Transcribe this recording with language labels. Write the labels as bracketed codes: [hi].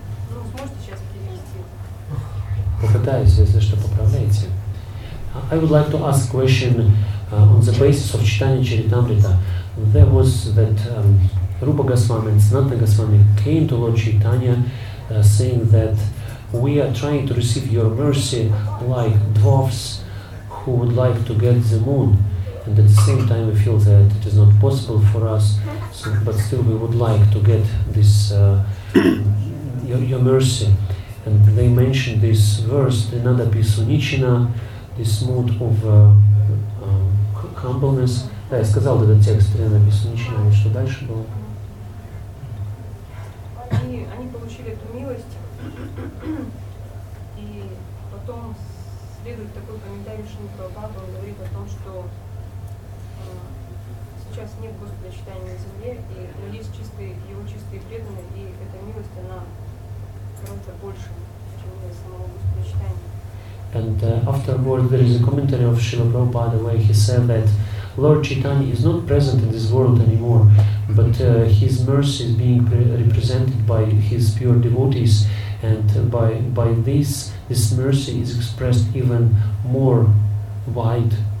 [ru] Ну, сможете сейчас перевести? Попытаюсь, если что, поправляйте. [en] I would like to ask question on the basis of Chaitanya Charitamrita. There was that Rupa Goswami and Sanatana Goswami came to Lord Chaitanya saying that we are trying to receive your mercy like dwarfs who would like to get the moon. And at the same time we feel that it is not possible for us, so, but still we would like to get this your mercy. And they mentioned this verse, another Pisunichina, this mood of humbleness. [ru] Да, я сказал этот текст, Трина Писунчина, и что дальше было? Они получили эту милость, и потом следует такой комментарий Шрила Прабхупады, он говорит о том, что сейчас нет Господа Чайтаньи на земле, но есть чистые, его чистые преданные, и эта милость, она гораздо больше, чем для самого Господа Чайтаньи. [en] And afterward, there is a commentary of Srila Prabhupada where he said that Lord Chaitanya is not present in this world anymore, but his mercy is being represented by his pure devotees, and by this mercy is expressed even more wide.